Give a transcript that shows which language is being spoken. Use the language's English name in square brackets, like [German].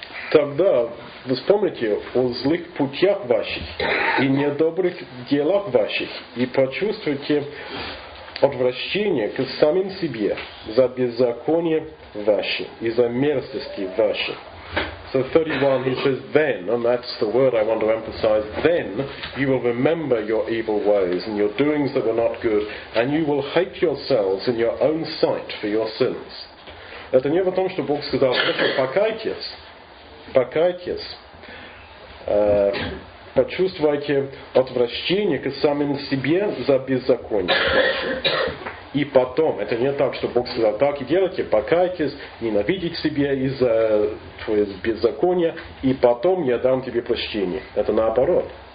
[Russian] Тогда вспомните о злых путях ваших и недобрых делах ваших и почувствуйте отвращение к самим себе за беззаконие ваше и за мерзости ваше. [English] So 31, he says, then, and that's the word I want to emphasize, then you will remember your evil ways and your doings that were not good, and you will hate yourselves in your own sight for your sins. [Russian] Это не о том, что Бог сказал, покайтесь, покайтесь, почувствуйте отвращение к самим себе за беззаконие. И потом, это не так, что Бог сказал, так и делайте, покайтесь, ненавидите себя из-за твоего беззакония, и потом я дам тебе прощение. Это наоборот.